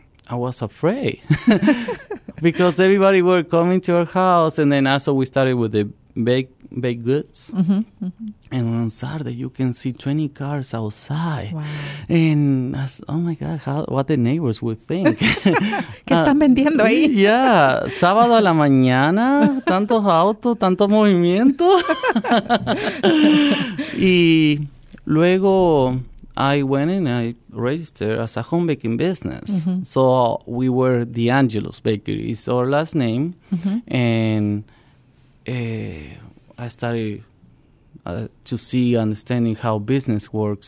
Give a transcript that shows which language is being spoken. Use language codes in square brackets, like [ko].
[en] I was afraid because everybody were coming to our house. And then also we started with the baked goods. Mm-hmm, mm-hmm. And on Saturday, you can see 20 cars outside. Wow. And I said, oh, my God, what the neighbors would think. [es] ¿Qué están vendiendo ahí? [en] Yeah. [es] Sábado a la mañana, tantos autos, tanto movimiento. Y luego... [en] I went and I registered as a home baking business. Mm-hmm. So we were D'Angelo's Bakery. It's our last name. Mm-hmm. And I started to see, understanding how business works.